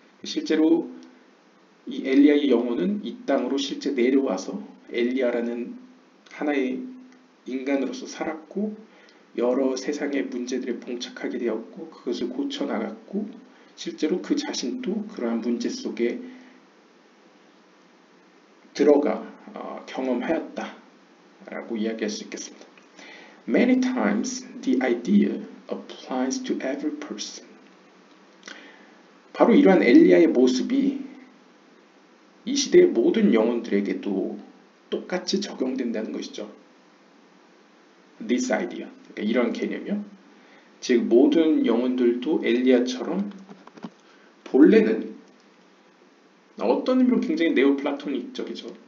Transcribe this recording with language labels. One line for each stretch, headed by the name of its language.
Korean: 실제로 이 엘리야의 영혼은 이 땅으로 실제 내려와서 엘리야라는 하나의 인간으로서 살았고 여러 세상의 문제들에 봉착하게 되었고 그것을 고쳐나갔고 실제로 그 자신도 그러한 문제 속에 들어가 경험하였다 라고 이야기할 수 있겠습니다.
English: Many times the idea applies to every person.
Korean: 바로 이러한 엘리야의 모습이 이 시대의 모든 영혼들에게도 똑같이 적용된다는 것이죠.
English: This idea,
Korean: 그러니까 이런 개념이요. 즉 모든 영혼들도 엘리야처럼 본래는 어떤 의미로 굉장히 네오플라토닉적이죠.